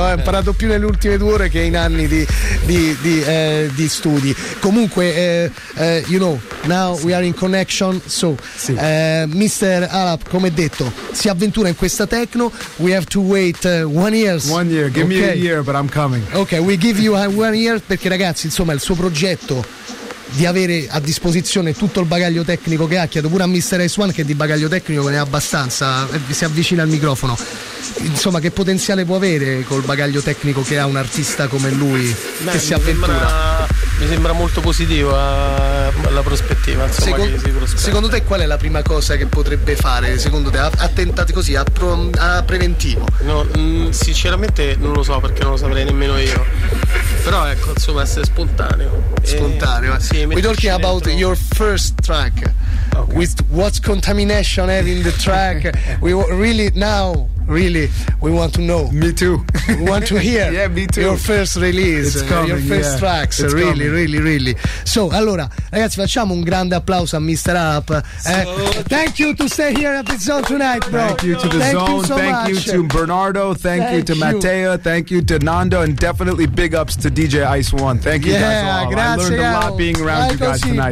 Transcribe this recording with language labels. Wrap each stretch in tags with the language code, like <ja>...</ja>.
<it>Ho imparato più nelle ultime 2 ore che in anni di studi.</it> <en>Comunque, you know, now we are in connection. So, Mr. Alap, come detto, si avventura in questa techno. We have to wait 1 year. 1 year, give me a year, but I'm coming. Okay, we give you 1 year,</en> <it>perché ragazzi, insomma, il suo progetto di avere a disposizione tutto il bagaglio tecnico che ha, chiedo pure a Mr. S1 che di bagaglio tecnico ne ha abbastanza, si avvicina al microfono, insomma, che potenziale può avere col bagaglio tecnico che ha un artista come lui? Beh, che si avventura, mi sembra molto positiva la prospettiva, insomma. Secondo te qual è la prima cosa che potrebbe fare, secondo te, attentati così a preventivo? No, sinceramente non lo so, perché non lo saprei nemmeno io. Però ecco, insomma, essere spontaneo. Spontaneo, sì.</it> <en>We're talking about your first track. Okay. With what contamination in the track. We really now really we want to know. Me too. We want to hear. Yeah, me too. Your first release. It's coming, your first tracks. It's really coming. Really really.</en> <it>So, allora, ragazzi, facciamo un grande applauso a Mr.</it> <en>Up. Thank you to stay here at the Zone tonight, bro. Thank you to the thank Zone. You so thank much. You to Bernardo. Thank you to Matteo. Thank you to Nando, and definitely big ups to DJ Ice One. Thank you guys all.</en> <it>Grazie.</it> <en>I learned a lot being around you guys tonight.</en>